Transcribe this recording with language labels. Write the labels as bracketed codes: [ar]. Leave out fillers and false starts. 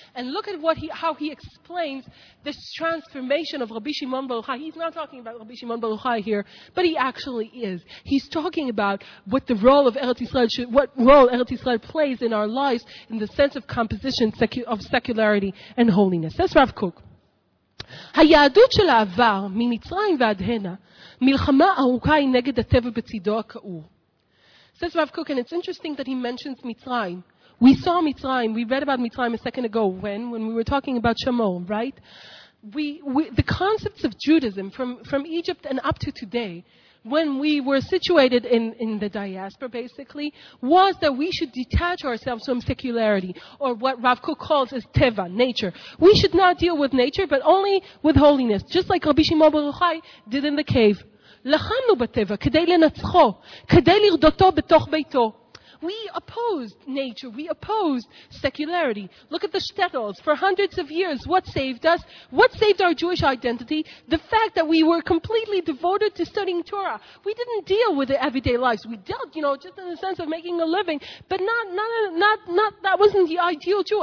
[en] And look at how he explains this transformation of Rabbi Shimon Bar Yochai. He's not talking about Rabbi Shimon Bar Yochai here, but he actually is. He's talking about what role Eretz Yisrael plays in our lives in the sense of composition, of secularity and holiness. That's Rav Kook. [he] היהדות של העבר, ממצרים ועד הנה, מלחמה ארוכה היא נגד הטבע בצידו הכאור. [en] Says Rav Kook, and it's interesting that he mentions Mitzrayim. We saw Mitzrayim. We read about Mitzrayim a second ago when we were talking about Shamor, right? We the concepts of Judaism from Egypt and up to today, when we were situated in the diaspora, basically, was that we should detach ourselves from secularity, or what Rav Kook calls as teva, nature. We should not deal with nature, but only with holiness, just like Rabbi Shimon Bar Yochai did in the cave. [he] לחמנו בטבע כדי לנצחו, כדי לרדותו בתוך ביתו. [en] We opposed nature. We opposed secularity. Look at the shtetls. For hundreds of years, what saved us? What saved our Jewish identity? The fact that we were completely devoted to studying Torah. We didn't deal with the everyday lives. We dealt, you know, just in the sense of making a living. But not that wasn't the ideal Jew.